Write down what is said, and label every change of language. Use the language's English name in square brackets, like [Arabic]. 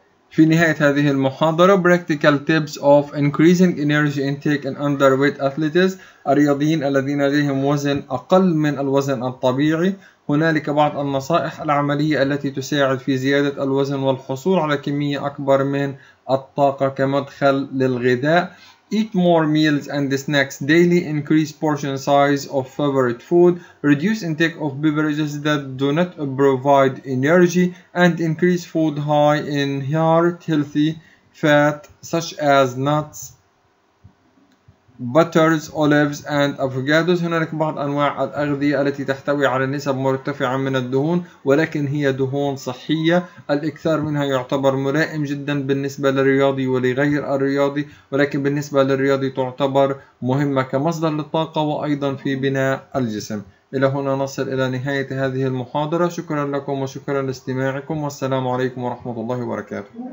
[Arabic] في نهاية هذه المحاضرة [English] Practical Tips of Increasing Energy Intake in Underweight Athletes [Arabic] الرياضيين الذين لديهم وزن أقل من الوزن الطبيعي هنالك بعض النصائح العملية التي تساعد في زيادة الوزن والحصول على كمية أكبر من الطاقة كمدخل للغذاء [English] Eat more meals and snacks daily. Increase portion size of favorite food. Reduce intake of beverages that do not provide energy. And increase food high in heart healthy fat such as nuts, butters, olives, and avocados. [Arabic] هناك بعض أنواع الأغذية التي تحتوي على نسب مرتفعة من الدهون ولكن هي دهون صحية الإكثار منها يعتبر ملائم جدا بالنسبة للرياضي ولغير الرياضي ولكن بالنسبة للرياضي تعتبر مهمة كمصدر للطاقة وأيضا في بناء الجسم إلى هنا نصل إلى نهاية هذه المحاضرة شكرا لكم وشكرا لاستماعكم والسلام عليكم ورحمة الله وبركاته